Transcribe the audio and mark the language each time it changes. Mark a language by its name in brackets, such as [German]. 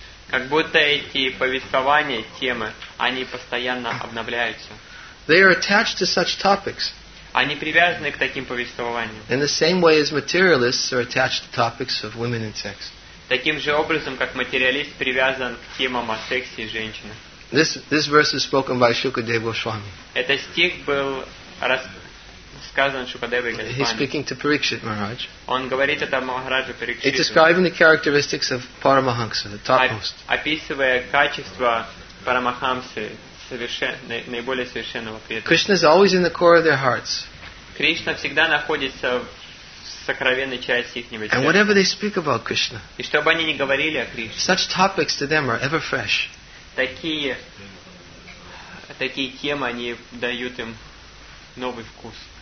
[Russian] Как будто эти повествования, темы, они постоянно обновляются. [English] They are attached to such topics. [Russian] Они привязаны к таким повествованиям. [English] In the same way as materialists are attached to topics of women and sex. [Russian] Таким же образом, как материалист привязан к темам о сексе и женщине. [English] This verse is spoken by Shukadeva Goswami. [Russian] Этот стих был сказан Шукадевой Госвами. [English] He's speaking to Parikshit Maharaj. [Russian] Он говорит это Махараджу Парикшиту. [English] It's describing the characteristics of Paramahamsa, the topmost. [Russian] Описывая качества Парамахамсы, наиболее совершенного преданного. [English] Krishna is always in the core of their hearts. [Russian] Кришна всегда находится в сокровенной части их сердца. [English] And whatever they speak about Krishna. [Russian] И что бы они ни говорили о Кришне. [English] Such topics to them are ever fresh. [Russian] Такие темы они дают им новый вкус.